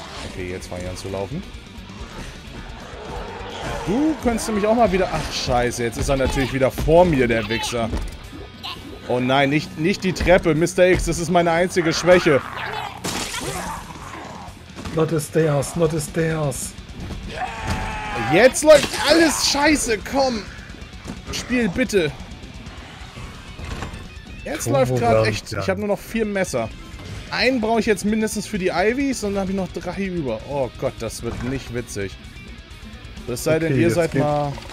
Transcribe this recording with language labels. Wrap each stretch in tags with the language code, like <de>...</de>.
<de>Okay, jetzt fange ich an zu laufen. Du könntest nämlich auch mal wieder... Ach, scheiße, jetzt ist er natürlich wieder vor mir, der Wichser. Oh nein, nicht die Treppe, Mr. X, das ist meine einzige Schwäche.</de> <en>Not the stairs, not the stairs.</en> <de>Jetzt läuft alles scheiße, komm. Spiel bitte. Jetzt läuft gerade echt. Ich habe nur noch 4 Messer. Einen brauche ich jetzt mindestens für die Ivys und dann habe ich noch 3 über. Oh Gott, das wird nicht witzig. Das sei denn, ihr seid mal.</de>